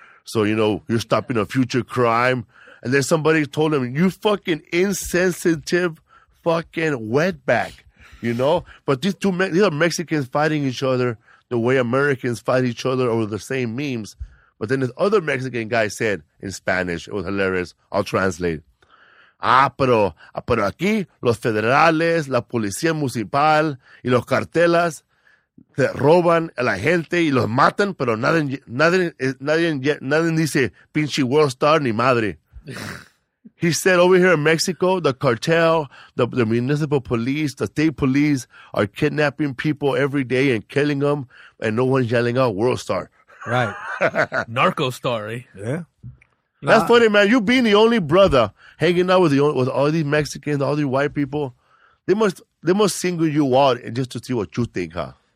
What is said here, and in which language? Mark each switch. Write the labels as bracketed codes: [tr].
[en] So, you know, you're stopping a future crime. And then somebody told him, you fucking insensitive fucking wetback, you know? But these are Mexicans fighting each other the way Americans fight each other over the same memes. But then this other Mexican guy said in Spanish, it was hilarious, I'll translate. [es] Ah, pero aquí los federales, la policía municipal y los cartelas te roban a la gente y los matan, pero nadie dice pinche world star ni madre. [en] He said over here in Mexico, the cartel, the municipal police, the state police are kidnapping people every day and killing them, and no one's yelling out World Star. Right. Narco Star, eh? Yeah. That's funny, man. You being the only brother hanging out with all these Mexicans, all these white people, they must single you out and just to see what you think, huh?